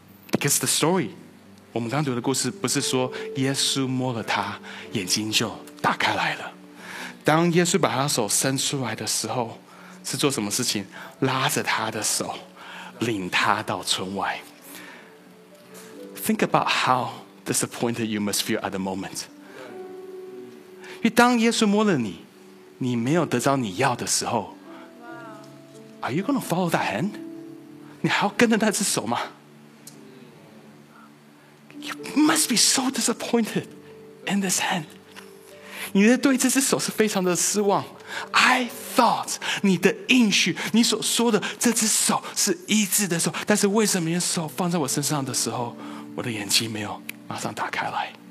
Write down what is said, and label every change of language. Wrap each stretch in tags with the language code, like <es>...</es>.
<en>Because the story,</en> <zh>我们刚读的故事不是说耶稣摸了他眼睛就打开来了，当耶稣把他手伸出来的时候是做什么事情？拉着他的手领他到村外。</zh> <en>Think about how disappointed you must feel at the moment.</en> <zh>因为当耶稣摸了你，你没有得到你要的时候，</zh> <en>Are you going to follow that hand?</en> <zh>你还要跟着那只手吗？</zh> <en>You must be so disappointed in this hand.</en> <zh>你的对这只手是非常的失望。</zh> <en>I thought</en> <zh>你的应许，你所说的这只手是医治的手，但是为什么你的手放在我身上的时候，我的眼睛没有马上打开来？</zh>